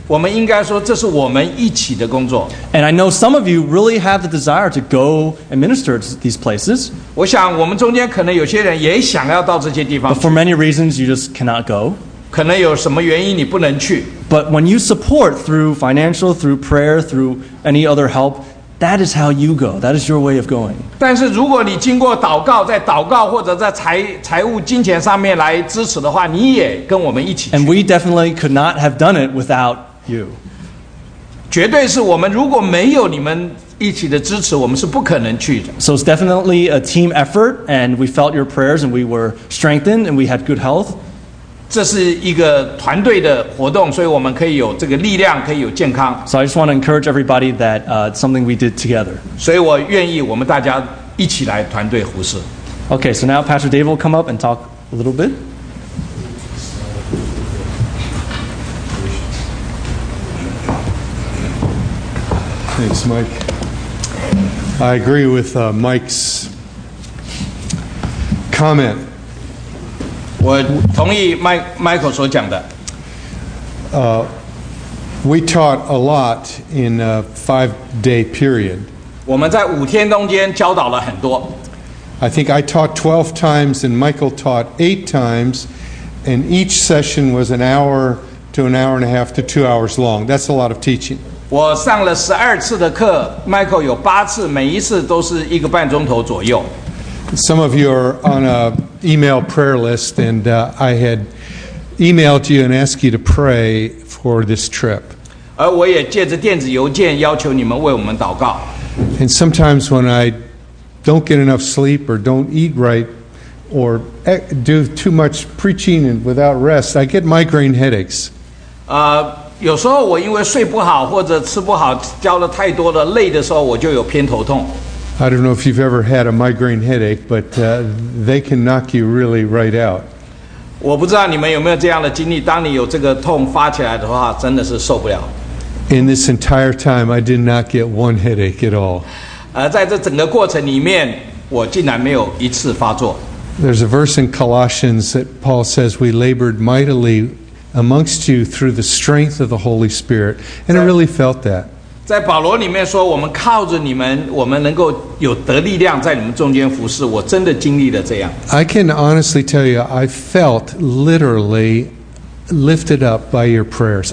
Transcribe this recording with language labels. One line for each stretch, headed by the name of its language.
Chinese: 我们应该说这是我们一起的工作。
English: And I know some of you really have the desire to go and minister. These places.
Chinese: 我想我们中间可能有些人也想要到这些地方。
English: But for many reasons, you just cannot go.
Chinese: 可能有什么原因你不能去。
English: But when you support through financial, through prayer, through any other help, that is how you go. That is your way of going.
Chinese: 但是如果你经过祷告，在祷告或者在财务、金钱上面来支持的话，你也跟我们一起去。
English: And we definitely could not have done it without you.
Chinese: 绝对是我们如果没有你们一起的支持，我们是不可能去的。
English: So it's definitely a team effort, and we felt your prayers, and we were strengthened, and we had good health.
Chinese: 这是一个团队的活动，所以我们可以有这个力量，可以有健康。
English: So I just want to encourage everybody that something we did together.
Chinese: 所以我愿意我们大家一起来团队服事。
English: Okay, so now Pastor Dave will come up and talk a little bit. Thanks, Mike. I agree with Mike's comment.
Chinese: 我同意 Michael 所讲的。
English: We taught a lot in a five-day period.
Chinese: 我们在五天中间教导了很多。
English: I think I taught 12 times and Michael taught 8 times, and each session was an hour to an hour and a half to 2 hours long. That's a lot of teaching.
Chinese: 我上了12次的课 ，Michael 有8次，每一次都是一个半钟头左右。
English: Some of you are on a email prayer list, and I had emailed you and asked you to pray for this trip.
Chinese: 而我也借着电子邮件要求你们为我们祷告。
English: And sometimes when I don't get enough sleep or don't eat right or do too much preaching and without rest, I get migraine headaches.
Chinese: 有时候我因为睡不好或者吃不好，教了太多的累的时候，我就有偏头痛。
English: I don't know if you've ever had a migraine headache, but they can knock you really right out.
Chinese: 我不知道你们有没有这样的经历，当你有这个痛发起来的话，真的是受不了。
English: In this entire time, I did not get one headache at all.
Chinese: 在这整个过程里面，我竟然没有一次发作。
English: There's a verse in Colossians that Paul says, we labored mightily amongst you through the strength of the Holy Spirit. And I really felt that.
Chinese: 在保罗里面说，我们靠着你们，我们能够有得力量在你们中间服事。我真的经历了这样。
English: I can honestly tell you, I felt literally lifted up by your prayers.